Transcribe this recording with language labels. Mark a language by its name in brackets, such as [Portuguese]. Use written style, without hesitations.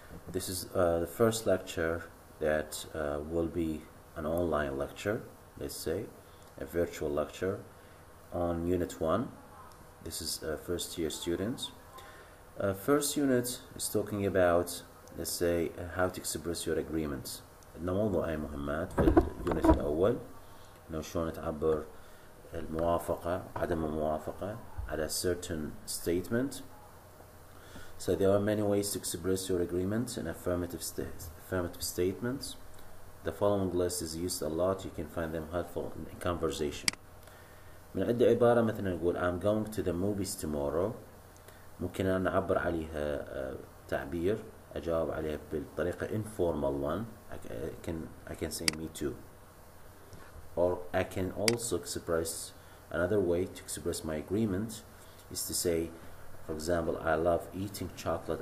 [English] This is the first lecture that will be an online lecture, let's say, a virtual lecture on Unit 1. This is first year students. First unit is talking about, let's say, how to express your agreements. [Arabic] الموضوع أي مهمات في اليونت الأول إنه شلون تعبر الموافقة عدم الموافقة على [English] certain statement. So there are many ways to express your agreement in affirmative statements. The following list is used a lot. You can find them helpful in a conversation. [Arabic] من عدة عبارة مثلا نقول [English] I'm going to the movies tomorrow. [Arabic] ممكن أنا أعبر عليها تعبير أجاوب عليها بالطريقة [English] informal one. I can say me too. Or I can also express another way to express my agreement is to say, for example, I love eating chocolate.